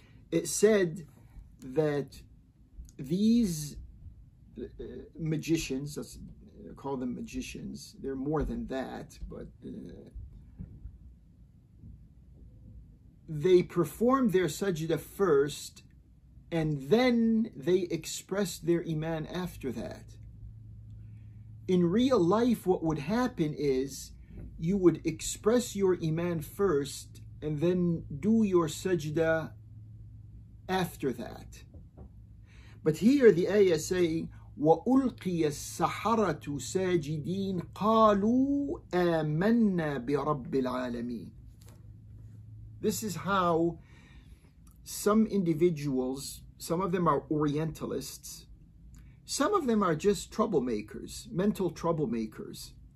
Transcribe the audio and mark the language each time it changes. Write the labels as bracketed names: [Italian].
[English] It said that these magicians, let's call them magicians, they're more than that, but they performed their sajda first, and then they expressed their iman after that. In real life, what would happen is, you would express your iman first and then do your sajda after that. But here the ayah is saying, [Arabic] وَأُلْقِيَ السَّحَرَةُ سَاجِدِينَ قَالُوا آمَنَّا بِرَبِّ الْعَالَمِينَ. [English] This is how some individuals, some of them are orientalists, some of them are just troublemakers, mental troublemakers.